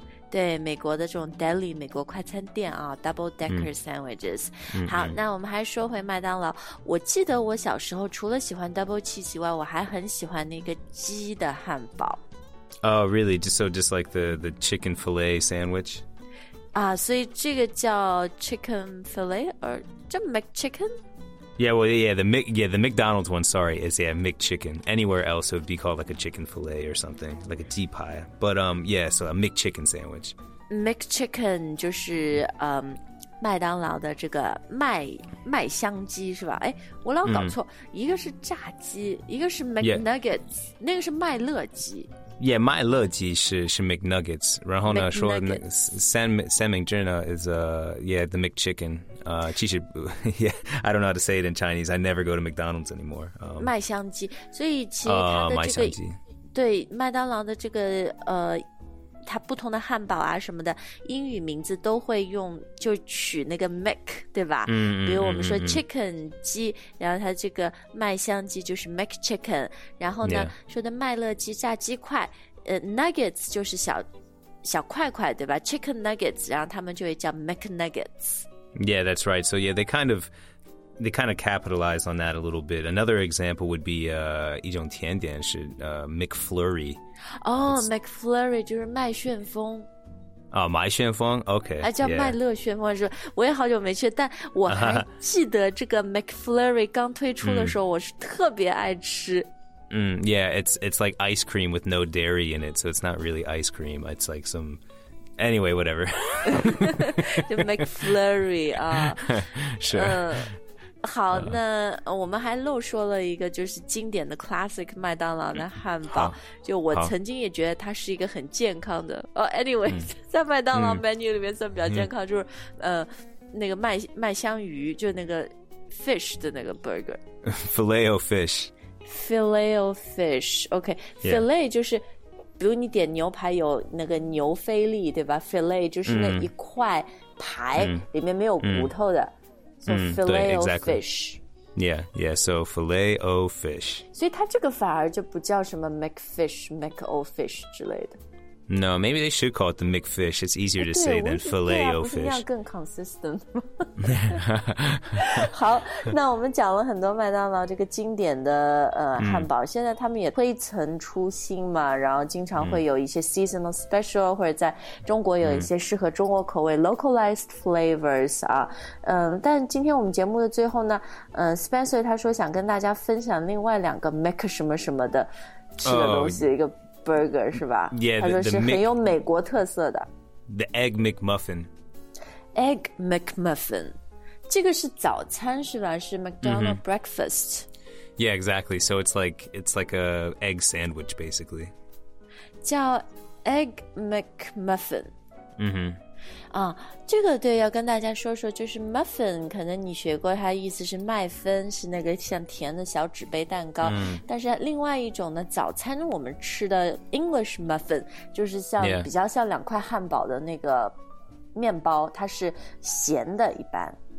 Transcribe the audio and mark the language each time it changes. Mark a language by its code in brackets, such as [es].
[zh] 对美国的这种 deli 美国快餐店啊 [en] double decker sandwiches [zh] 好那我们还说回麦当劳我记得我小时候除了喜欢 double cheese 以外我还很喜欢那个鸡的汉堡 [en] Oh really just like the chicken fillet sandwich [zh] 啊、所以这个叫 chicken fillet or 这 McChicken [en] Yeah, well, the McDonald's one, sorry, is, yeah, McChicken. Anywhere else, it would be called, like, a chicken filet or something, like a tea pie. But, yeah, so a McChicken sandwich. [zh] McChicken 就是麦当劳的这个麦香鸡是吧？哎，我老搞错，一个是炸鸡，一个是 McNuggets， 那个是麦乐鸡。 Yeah, 麦乐鸡是 McNuggets. 然后呢，说那三明治呢 is, yeah, the McChicken. [en] 其实 yeah, I don't know how to say it in Chinese. I never go to McDonald's anymore. [zh] 麦香鸡，所以其实它的这个对麦当劳的这个它不同的汉堡啊什么的，英语名字都会用就取那个 Mc 对吧？比如我们说 Chicken 鸡，然后它这个麦香鸡就是 McChicken， 然后呢、说的麦乐鸡炸鸡块，Nuggets 就是小块块对吧 ？Chicken Nuggets， 然后他们就会叫 McNuggets。 [en] Yeah, that's right. So yeah, they kind of capitalize on that a little bit. Another example would be [zh] 一种甜点是 [en] McFlurry. [zh] Oh, McFlurry 就是麦旋风。哦，麦旋风 ，OK，哎，叫麦乐旋风是吧？我也好久没去，但我还记得这个 McFlurry 刚推出的时候，我是特别爱吃。 [en] Yeah, it's like ice cream with no dairy in it, so it's not really ice cream. It's like some, anyway, whatever. The McFlurry 啊， [zh] 是。好，那我们还漏说了一个，就是经典的 classic 麦当劳的汉堡。就我曾经也觉得它是一个很健康的。Anyway, 在麦当劳 menu 里面算比较健康，就是那个麦香鱼，就那个 fish 的那个 burger。 [en] Filet-O fish。 Filet-O fish, OK. [zh] Filet、yeah. 就是比如你点牛排有那个牛菲力对吧 Filet 就是那一块排里面没有骨头的 Filet-O fish [en] Yeah, yeah, so Filet-O fish [zh] 所以它这个反而就不叫什么 McFish, McO fish 之类的 [en] No, maybe they should call it the McFish It's easier to say than Filet-O fish [zh] 不是那样更 consistent 好那我们讲了很多麦当劳这个经典的汉堡现在他们也推陈出新嘛然后经常会有一些 [en] seasonal special [zh] 或者在中国有一些适合中国口味 [en] localized flavors [zh] 啊但今天我们节目的最后呢Spencer 他说想跟大家分享另外两个 Mac 什么什么的吃的东西、一个 burger 是吧 [en] yeah, [zh] 他说是很有美国特色的 [en] the egg McMuffin [zh] egg McMuffin这个是早餐是吧是 McDonald's breakfast [en] yeah exactly so it's like a egg sandwich basically [zh] 叫 egg McMuffin、 mm-hmm. 啊、这个对要跟大家说说就是 muffin 可能你学过它意思是麦芬是那个像甜的小纸杯蛋糕、但是另外一种呢早餐我们吃的 English muffin 就是像、比较像两块汉堡的那个面包它是咸的一般